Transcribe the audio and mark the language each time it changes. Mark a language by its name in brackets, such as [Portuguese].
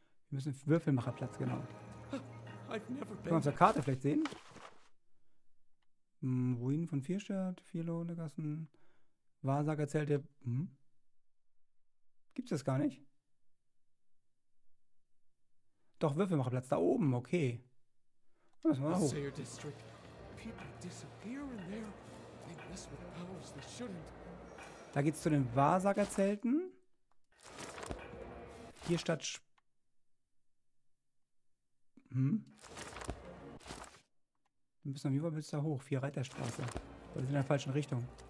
[German] Wir müssen Würfelmacherplatz, genau. Können wir auf der Karte vielleicht sehen? Ruinen von Vierstadt, Vierlohnegassen, Wahrsagerzelte. Gibt's das gar nicht? Doch, Würfelmacherplatz, da oben, okay. Dann müssen wir mal hoch. [English] People disappear in there. They mess with powers they shouldn't. [German] Da geht's zu den Wahrsagerzelten. Hier statt Wir müssen noch bis da hoch. Vier Reiterstraße. Aber wir sind in der falschen Richtung.